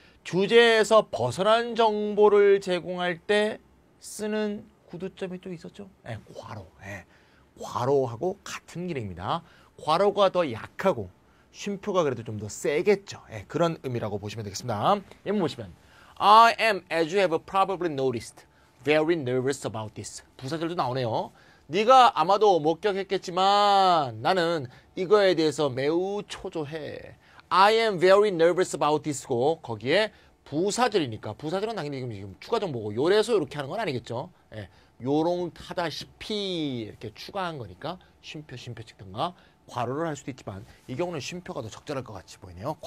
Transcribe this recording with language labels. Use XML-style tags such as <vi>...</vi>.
<ko>주제에서 벗어난 정보를 제공할 때 쓰는 구두점이 또 있었죠? 예, 과로. 예, 과로하고 같은 길입니다. 과로가 더 약하고 쉼표가 그래도 좀더 세겠죠? 예, 그런 의미라고 보시면 되겠습니다. 예, 보시면</ko> <en>I am, as you have probably noticed, very nervous about this.</en> <ko>부사절도 나오네요. 네가 아마도 목격했겠지만 나는 이거에 대해서 매우 초조해.</ko> <en>I am very nervous about this</en> <ko>고 거기에 부사절이니까 부사절은 당연히 지금 추가 정보고 요래서 이렇게 하는 건 아니겠죠? 예, 요렇다시피 이렇게 추가한 거니까 쉼표 찍든가 과로를 할 수도 있지만 이 경우는 쉼표가 더 적절할 것 같이 보이네요.</ko>